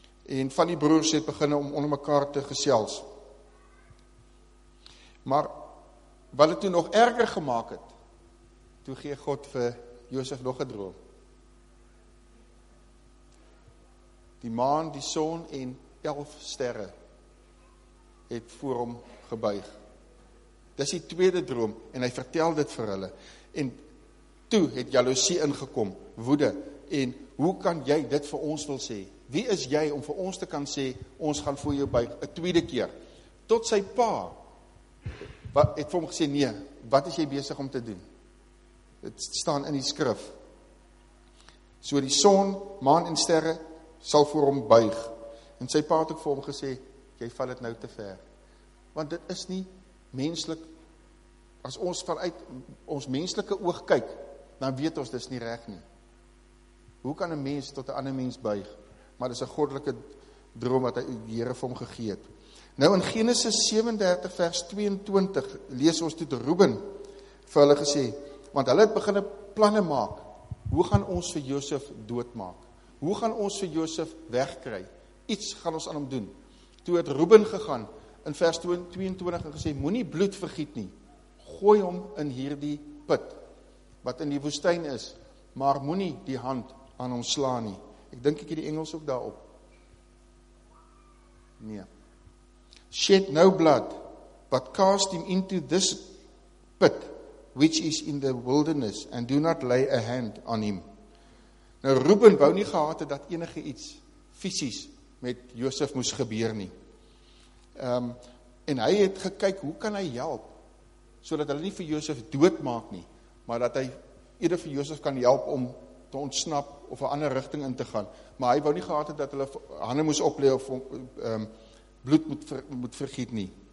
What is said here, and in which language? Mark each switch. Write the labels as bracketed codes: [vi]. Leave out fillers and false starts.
[af] En van die broers het begin om onder mekaar te gesels. Maar wat het toe nog erger gemaak het, toe gee God vir Josef nog 'n droom. Die maan, die son en 11 sterre het voor hom gebuig. Dis die tweede droom en hy vertel dit vir hulle. En toe het jaloesie ingekom, woede, en hoe kan jy dit vir ons wil sê? Wie is jy om vir ons te kan sê, ons gaan voor jou buig, 'n tweede keer? Tot sy pa, wat het vir hom gesê, nee, wat is jy besig om te doen? Het staan in die skrif. So die son, maan en sterre sal voor hom buig. En sy pa het ook vir hom gesê, jy val het nou te ver. Want dit is nie menslik, as ons vanuit ons menslike oog kyk, dan weet ons dis nie reg nie. Hoe kan 'n mens tot 'n ander mens buig? Maar dis 'n goddelike droom wat hy die Here vir hom gegee het. Nou in Genesis 37 vers 22 lees ons toe Reuben vir hulle gesê, want hulle het begin planne maak, hoe gaan ons vir Josef doodmaak? Hoe gaan ons vir Josef wegkry? Iets gaan ons aan hom doen. Toe het Reuben gegaan in vers 22 en gesê, moenie bloed vergiet nie. Gooi hom in hierdie put, wat in die woestijn is, maar moenie die hand aan hom sla nie. Ek dink ek het die Engels ook daarop. Nee. [en] Shed no blood, but cast him into this pit, which is in the wilderness, and do not lay a hand on him. [af] Nou, Reuben wou nie gehad dat enige iets fysies met Josef moes gebeur nie. En hy het gekyk, hoe kan hy help, so dat hy nie vir Josef dood maak nie, maar dat hy eerder vir Josef kan help om te ontsnap of 'n ander richting in te gaan. Maar hy wou nie gehad dat hulle hande moes oplee of bloed moet vergiet nie.